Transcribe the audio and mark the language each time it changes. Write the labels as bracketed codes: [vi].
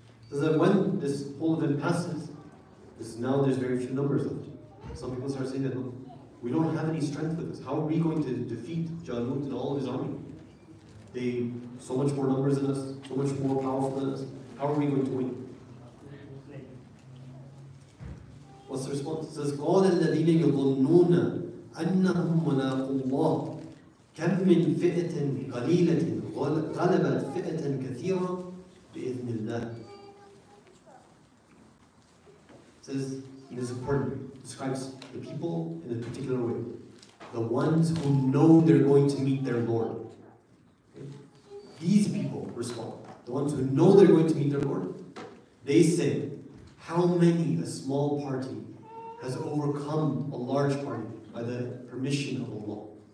[en] So that when this whole event passes, this, now there's very few numbers left. Some people start saying that, look, we don't have any strength with this. How are we going to defeat Jalut and all of his army? They so much more numbers than us, so much more powerful than us. How are we going to win? What's the response? It says, [ar] قَالَ الَّذِينَ يَظُنُّونَ أَنَّهُمْ مُلَاقُوا اللَّهِ كَمْ مِنْ فِئَةٍ قَلِيلَةٍ غَلَبَتْ فِئَةً كَثِيرًا بِإِذْنِ اللَّهِ. [en] It says, this is important. describes the people in a particular way. The ones who know they're going to meet their Lord. These people respond. The ones who know they're going to meet their Lord, they say, how many a small party has overcome a large party by the permission of Allah?